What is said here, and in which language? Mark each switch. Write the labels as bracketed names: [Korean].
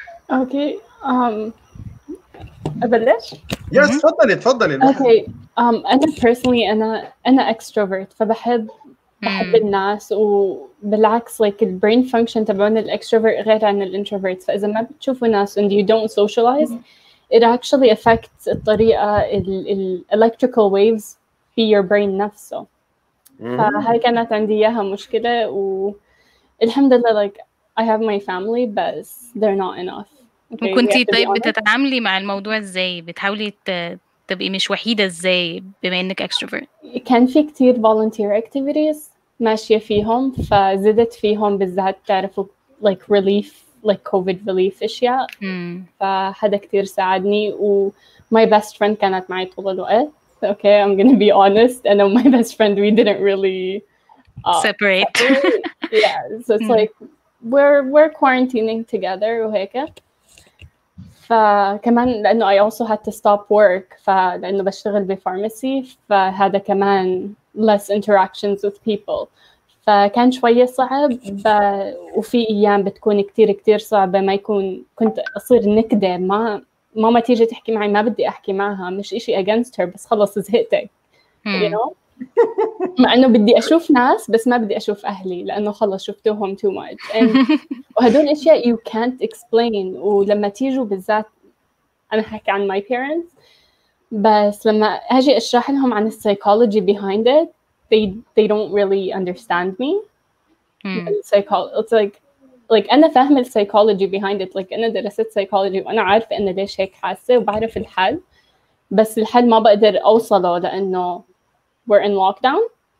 [Arabic] أوكي أبلش؟ يس تفضلي تفضلي. أوكي أنا personally أنا extrovert، فبحب الناس، وبالعكس [English] like the brain function [Arabic] تبعون الإكستروفرت غير عن الإنتروفرت. فإذا ما بتشوفوا ناس [English] and you don't socialize it actually affects [Arabic] الطريقة ال [English] electrical waves [Arabic] في [English] your brain [Arabic] نفسه. فهاي كانت عندي إياها مشكلة، والحمد لله [English] like I have my family but they're not enough. [Arabic] وكنتي طيب بتتعاملي مع الموضوع إزاي؟ بتحاولي تبقي مش وحيدة إزاي بما إنك إكستروفرت؟ كان في كتير [English] volunteer activities [Arabic] ماشية فيهم، فزدت فيهم بالذات تعرفوا [English] like relief like COVID relief [Arabic] أشياء. فهذا كتير ساعدني، و [English] my best friend [Arabic] كانت معي طول الوقت. [English] Okay I'm gonna be honest and my best friend we didn't really separate. Yeah so it's like we're quarantining together [Arabic] وهيك. فكمان لأنه [English] I also had to stop work [Arabic] فلأنه بشتغل بفارماسي، فهذا كمان [English] less interactions with people. [Arabic] فكان شوية صعب وفي أيام بتكون كتير كتير صعبة، ما يكون كنت أصير نكدة، ماما تيجي تحكي معي ما بدي أحكي معها، مش إشي [English] against her [Arabic] بس خلص زهقتك مع أنه بدي أشوف ناس بس ما بدي أشوف أهلي لأنه خلص شفتوهم [English] too much. [Arabic] وهدول أشياء [English] you can't explain. [Arabic] ولما تيجوا بالذات أنا حكي عن [English] my parents، [Arabic] بس لما أجي أشرح لهم عن [English] psychology behind it they don't really understand me. It's like [Arabic] أنا فاهم [English] psychology behind it like [Arabic] أنا درست psychology وأنا عارف أن ليش هيك حاسة وبعرف الحل، بس الحل ما بقدر أوصله لأنه [English] we're in lockdown.